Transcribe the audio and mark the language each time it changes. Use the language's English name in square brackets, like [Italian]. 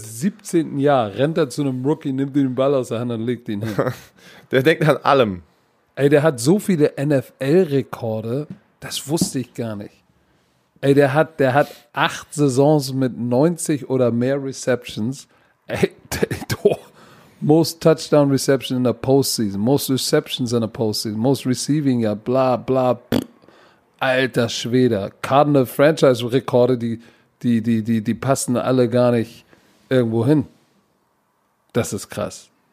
[German] 17. Jahr rennt er zu einem Rookie, nimmt ihm den Ball aus der Hand und legt ihn hin. Der denkt an allem. Ey, der hat so viele NFL-Rekorde, das wusste ich gar nicht. Ey, der hat 8 Saisons mit 90 oder mehr Receptions. [English] Ey, most touchdown reception in the postseason, most receptions in the postseason, most receiving, [German] ja, bla, bla. Pff. Alter Schwede. Cardinal-Franchise-Rekorde, die passen alle gar nicht irgendwo hin. Das ist krass.